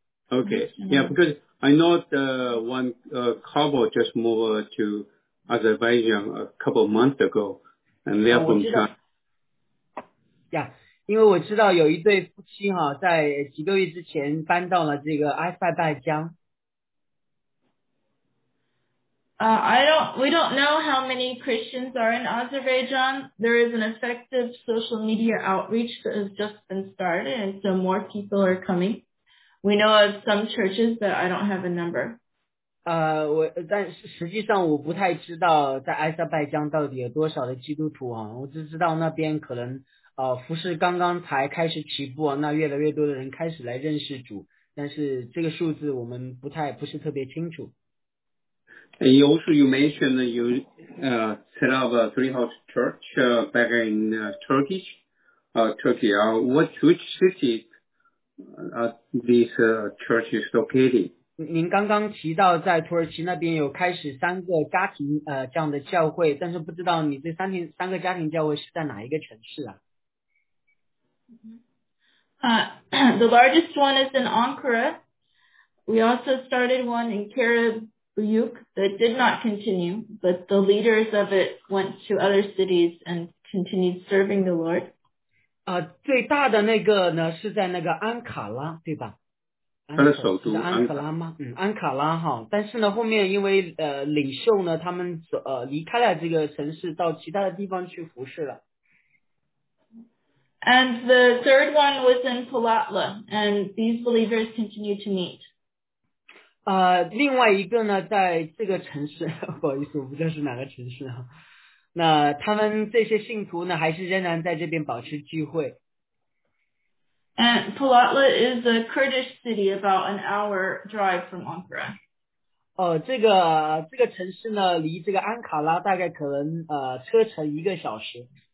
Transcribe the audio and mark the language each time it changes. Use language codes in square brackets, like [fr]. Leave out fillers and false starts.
[en] Okay, yeah, because I know the one couple just moved to Azerbaijan a couple of months ago, and they're from China. [zh] Yeah, 因为我知道有一对夫妻哈，在几个月之前搬到了这个埃塞拜疆。 [en] We don't know how many Christians are in Azerbaijan. There is an effective social media outreach that has just been started, and so more people are coming. We know of some churches, but I don't have a number. [zh] 但实际上我不太知道在埃塞拜疆到底有多少的基督徒啊，我只知道那边可能服事刚刚才开始起步，那越来越多的人开始来认识主，但是这个数字我们不是特别清楚。 [en] And also you mentioned that you set up a three house church back in Turkey. What which city are these churches located? [zh] 您刚刚提到在土耳其那边有开始三个家庭这样的教会，但是不知道你这三个家庭教会是在哪一个城市啊？ [en] The largest one is in Ankara. We also started one in Karabük that did not continue, but the leaders of it went to other cities and continued serving the Lord. [zh] 最大的那个呢是在那个安卡拉，对吧？安卡拉吗？安卡拉哈，但是呢，后面因为领袖呢，他们离开了这个城市，到其他的地方去服侍了。 [en] And the third one was in Palatla, and these believers continue to meet. [zh] 另外一个呢，在这个城市，不好意思，我不知道是哪个城市哈。那他们这些信徒呢，还是仍然在这边保持聚会。 [en] And Palatla is a Kurdish city about an hour drive from Ankara. [zh] 这个城市呢，离这个安卡拉大概可能车程一个小时。